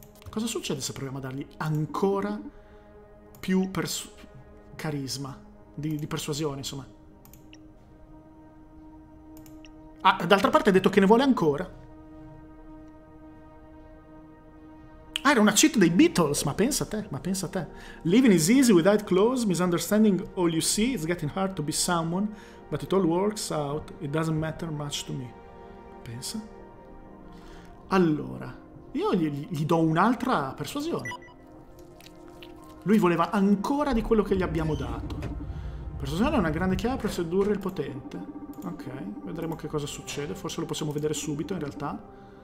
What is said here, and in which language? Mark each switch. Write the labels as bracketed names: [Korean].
[Italian] Cosa succede se proviamo a dargli ancora più carisma, di persuasione, insomma? Ah, d'altra parte ha detto che ne vuole ancora. Ah, era una cheat dei Beatles, ma pensa a te. [English] Living is easy with eyes closed, misunderstanding all you see, it's getting hard to be someone, but it all works out, it doesn't matter much to me. [Italian] Pensa. Allora, io gli do un'altra persuasione. Lui voleva ancora di quello che gli abbiamo dato. Persuasione è una grande chiave per sedurre il potente. Ok, vedremo che cosa succede, forse lo possiamo vedere subito in realtà.